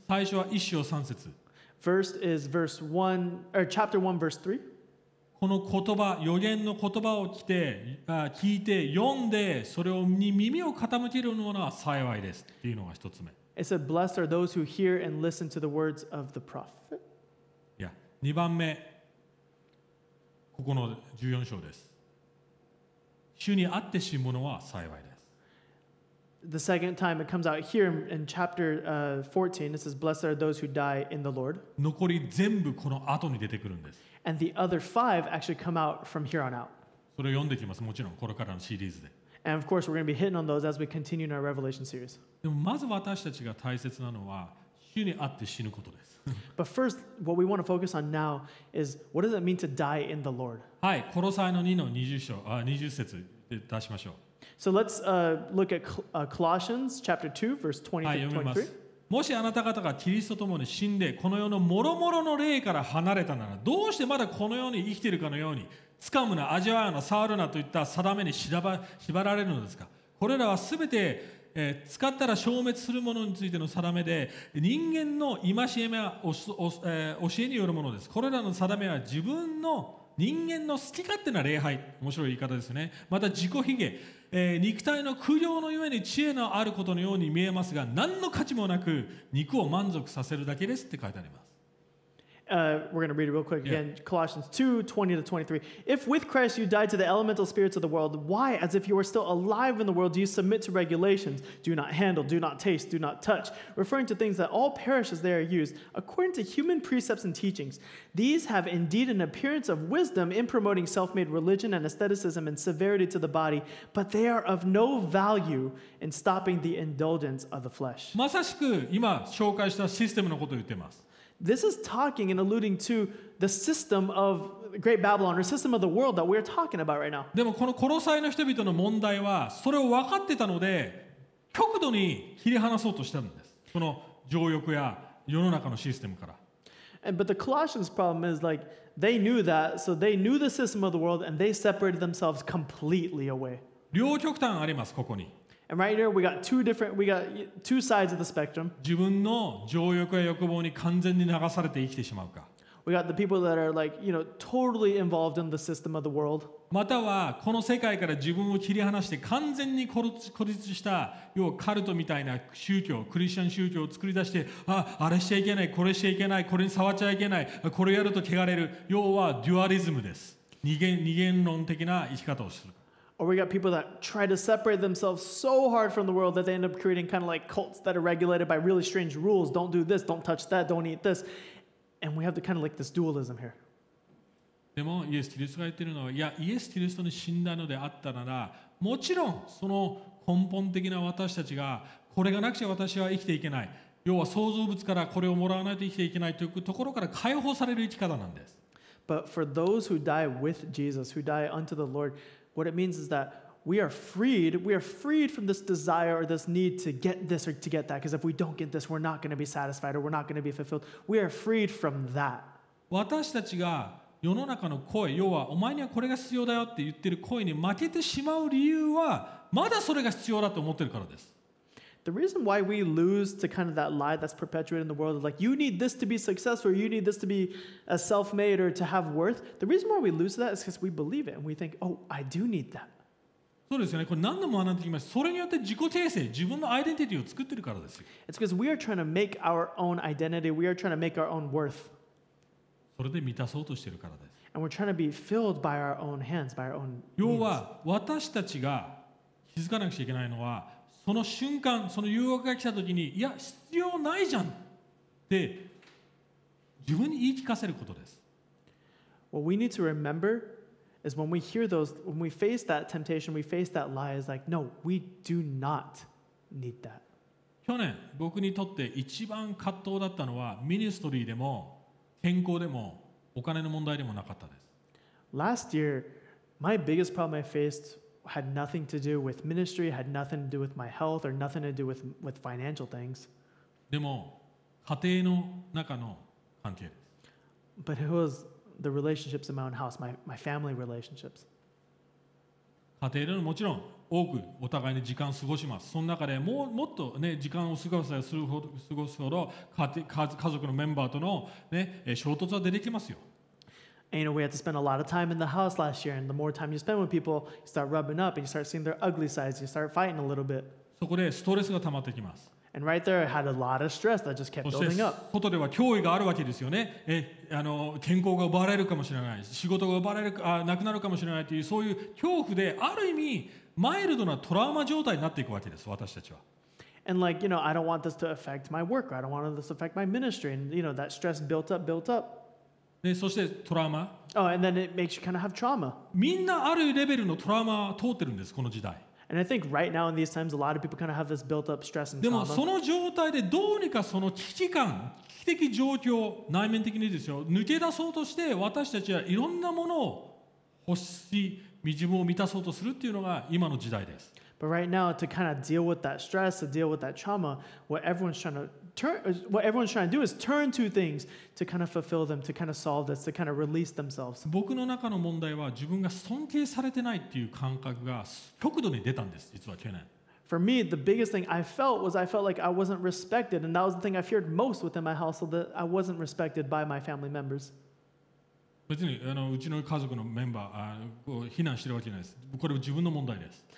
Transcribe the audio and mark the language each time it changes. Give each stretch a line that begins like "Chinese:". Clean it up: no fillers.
Japanese: 最初は1章3節。
English: First is verse 1 or chapter 1 verse 3.
Japanese: この言葉、予言の言葉を聞いて読んでそれに耳を傾けるのは幸いですっていうのが一つ目。
English: It said, blessed are those who hear and listen to the words of the prophet. Yeah.
Japanese: 2番目、ここの14章です。主にあって死ぬものは幸いです。
English: The second time it comes out here in chapter 14, it says, blessed are those who die in the Lord.
Japanese: 残り全部この後に出てくるんです。
English: And the other five actually come out from here on out.
Japanese: それを読んでいきます。もちろんこれからのシリーズで。
English: And of course, we're going to be hitting on those as we continue in our Revelation series.
Japanese: でもまず私たちが大切なのは主にあって死ぬことです。
English: But first, what we want to focus on now is what does it mean to die in the Lord?
Japanese: はい、コロサイの2の20章、20節で出しましょう。
English: So let's look at Colossians chapter 2, verse 20 to 23.
Japanese: はい、読みます。もしあなた方がキリストと共に死んでこの世のもろもろの霊から離れたならどうしてまだこの世に生きているかのようにつかむな、味わうな、触るなといった定めに縛られるのですか。これらはすべて、使ったら消滅するものについての定めで、人間の戒めや教えによるものです。これらの定めは自分の人間の好き勝手な礼拝、面白い言い方ですね。また自己卑下、肉体の苦行のゆえに知恵のあることのように見えますが、何の価値もなく肉を満足させるだけですって書いてあります。
English: We're going to read it real quick again. Yeah. Colossians 2:20-23. If with Christ you died to the elemental spirits of the world, why, as if you were still alive in the world, do you submit to regulations? Do not handle, do not taste, do not touch. Referring to things that all perish as they are used, according to human precepts and teachings, these have indeed an appearance of wisdom in promoting self-made religion and aestheticism and severity to the body, but they are of no value in stopping the indulgence of the flesh.
Japanese: まさしく今紹介したシステムのことを言ってます。
English: This is talking and alluding to the system of Great Babylon, or system of the world that we're talking about right now.
Japanese: でもこのコロサイの人々の問題はそれを分かってたので極度に切り離そうとしたんです。この情欲や世の中のシステムから。
English: But the Colossians' problem is like they knew that, so they knew the system of the world and they separated themselves completely away.
Japanese: 両極端ありますここに。
English: And right here, we got two sides of the spectrum.
Japanese: 自分の情欲や欲望に完全に流されて生きてしまうか。
English: We got the people that are like, you know, totally involved in the system of the world.
Japanese: またはこの世界から自分を切り離して完全に孤立した、要はカルトみたいな宗教、クリスチャン宗教を作り出して、あ、あれしちゃいけない、これしちゃいけない、これに触っちゃいけない、これやると汚れる。要はデュアリズムです。二元論的な生き方をする。
English: Or we got people that try to separate themselves so hard from the world that they end up creating kind of like cults that are regulated by really strange rules. Don't do this, don't touch that, don't eat this. And we have the kind of like this dualism here.
Japanese: でもイエス・キリストが言ってるのは、いや、イエス・キリストに死んだのであったなら、もちろんその根本的な私たちが、これがなくちゃ私は生きていけない。要は創造物からこれをもらわないと生きていけないというところから解放される生き方なんです。
English: But for those who die with Jesus, who die unto the Lord,What it means is that we are freed from this desire or this need to get this or to get that. Because if we don't get this, we're not going to be satisfied or we're not going to be fulfilled. We are freed from that.
Japanese: 私たちが世の中の声、要はお前にはこれが必要だよって言ってる声に負けてしまう理由は、まだそれが必要だと思ってるからです。
English: The reason why we lose to kind of that lie that's perpetuated in the world, like you need this to be successful, or you need this to be a self-made or to have worth, the reason why we lose to that is because we believe it and we think, oh, I do need that.
Japanese: そうですよね。これ何度も学んできました。それによって自己形成、自分のアイデンティティを作ってるからですよ。
English: It's because we are trying to make our own identity, we are trying to make our own worth.
Japanese: それで満たそうとしてるからです。
English: And we're trying to be filled by our own hands, by our own means.
Japanese: 要は私たちが気づかなくちゃいけないのは、その瞬間、その誘惑が来たときに、いや、必要ないじゃんって自分に言い聞かせることです。
English: What we need to remember is when we hear those, when we face that temptation, we face that lie, is like, no, we do not need that.
Japanese: 去年、僕にとって一番葛藤だったのは、ミニストリーでも、健康でも、お金の問題でもなかったです。
English: Last year, my biggest problem I faced had nothing to do with ministry, had nothing to do with my health, or nothing to do with financial things.
Japanese: でも、家庭の中の関係です。
English: But it was the relationships in my own house, my family relationships.
Japanese: 家庭でももちろん多くお互いに時間を過ごします。その中でもっと、ね、時間を過ごすほど家族のメンバーとの、ね、衝突は出てきますよ。
English: And you know, we had to spend a lot of time in the house last year. And the more time you spend with people, you start rubbing up and you start seeing their ugly sides. You start fighting a little bit.
Japanese: そこでストレスが溜まってきます。
English: And right there, I had a lot of stress that just kept building up.
Japanese: 外では脅威があるわけですよね。健康が奪われるかもしれない。仕事が奪われるか、なくなるかもしれないという、そういう恐怖で、ある意味、マイルドなトラウマ状態になっていくわけです、私たちは。
English: And like, you know, I don't want this to affect my work. I don't want this to affect my ministry. And you know, that stress built up.
Japanese: でそしてトラウマ。
English: Oh, and then it makes you kind of have trauma.
Japanese: みんなあるレベルのトラウマを通ってるんです、この時代。
English: And I think right now in these times, a lot of people kind of have this built up stress and
Japanese: でもその状態でどうにかその危機感、危機的状況、内面的にですよ、抜け出そうとして私たちはいろんなものを欲し、自分を満たそうとするっていうのが今の時代です。
English: But right now, to kind of deal with that stress, to deal with that trauma, what everyone's trying to do is turn to things to kind of fulfill them, to kind of solve this, to kind of release themselves.
Japanese: 僕の中の問題は自分が尊敬されてないっていう感覚が極度に出たんです、実は去年。
English: For me, the biggest thing I felt was I felt like I wasn't respected, and that was the thing I feared most within my household, that I wasn't respected by my family members.
Japanese: 別にうちの家族のメンバーを非難してるわけじゃないです。これは自分の問題です。